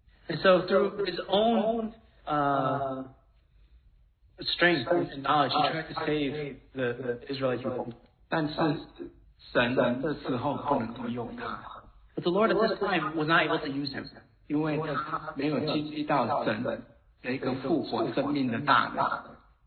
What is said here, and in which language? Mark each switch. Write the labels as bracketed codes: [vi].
[en] And so through his own strength and knowledge, he tried to save the Israelite people. [zh] 但是神的时候不能够用他。 [en] But the Lord at this time was not able to use him. [zh] 因为他没有经历到神的一个复活生命的大能。